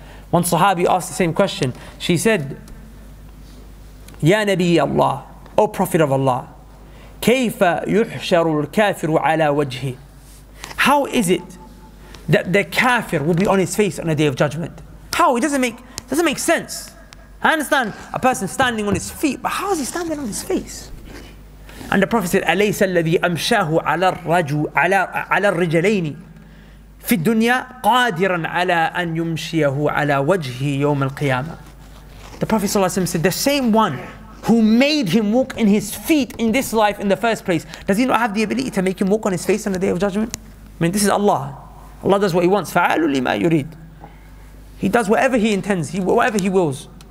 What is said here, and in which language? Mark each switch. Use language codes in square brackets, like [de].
[en] One sahabi asked the same question. She said, Ya Nabi Allah, O Prophet of Allah, [ar] كَيْفَ يُحْشَرُ الْكَافِرُ عَلَى وَجْهِ. [en] How is it that the kafir will be on his face on the day of judgment? How? It doesn't make sense. I understand a person standing on his feet, but how is he standing on his face? And the Prophet said, [ar] أَلَيْسَ الَّذِي أَمْشَاهُ عَلَى الرِّجَلَيْنِ فِي الدُّنْيَا قَادِرًا عَلَىٰ أَنْ يُمْشِيَهُ عَلَىٰ وَجْهِ يَوْمَ الْقِيَامَةِ. [en] The Prophet ﷺ said, the same one who made him walk in his feet in this life in the first place, does he not have the ability to make him walk on his face on the Day of Judgment? I mean, this is Allah. Allah does what He wants. [ar] فَعَالُ لِمَا يُرِيدُ. [en] He does whatever He intends, whatever He wills.